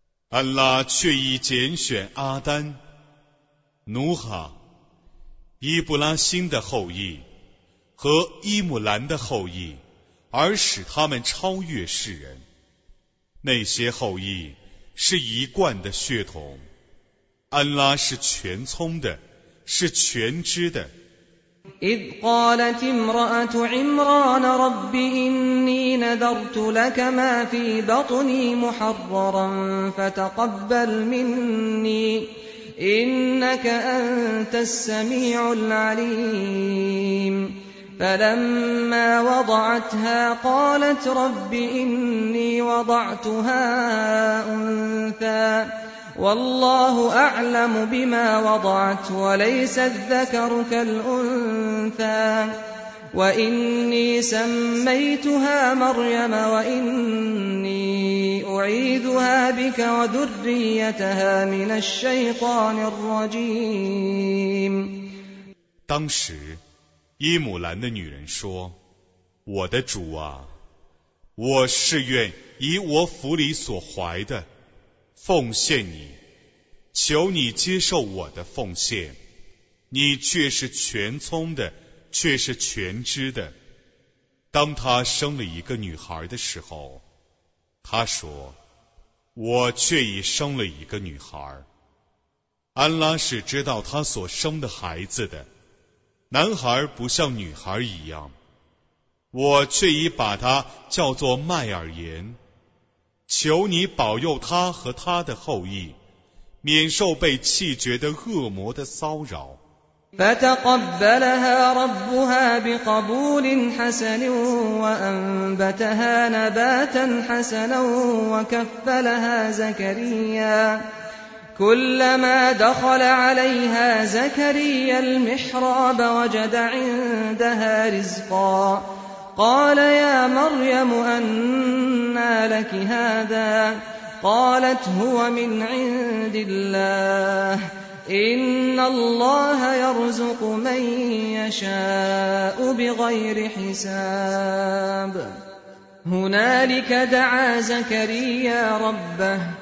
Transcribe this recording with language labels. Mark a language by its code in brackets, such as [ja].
[zh] 安拉却已拣选阿丹努哈伊布拉欣的后裔和伊姆兰的后裔而使他们超越世人那些后裔是一贯的血统安拉是全聪的是全知的 [ar] إذ قالت امرأة عمران رب إني نذرت لك ما في بطني محررا فتقبل مني إنك أنت السميع العليم فلما وضعتها قالت رب إني وضعتها أنثى والله أعلم بما وضعت وليس الذكر كالأنثى وإني سميتها مريم وإني أعيذها بك وذريتها من الشيطان الرجيم [zh] 当时伊姆兰的女人说我的主啊我是愿以我腹里所怀的奉献你求你接受我的奉献你却是全聪的却是全知的当他生了一个女孩的时候他说我却已生了一个女孩安拉是知道他所生的孩子的男孩不像女孩一样我却已把他叫做麦尔言求你保佑他和他的后裔免受被弃绝的恶魔的骚扰 [ar] فتقبلها ربها بقبول حسن وأنبتها نباتا حسنا وكفلها زكريا كلما دخل عليها زكريا المحراب وجد عندها رزقا قال يا مريم أنى لك هذا قالت هو من عند الله إن الله يرزق من يشاء بغير حساب هنالك دعا زكريا ربه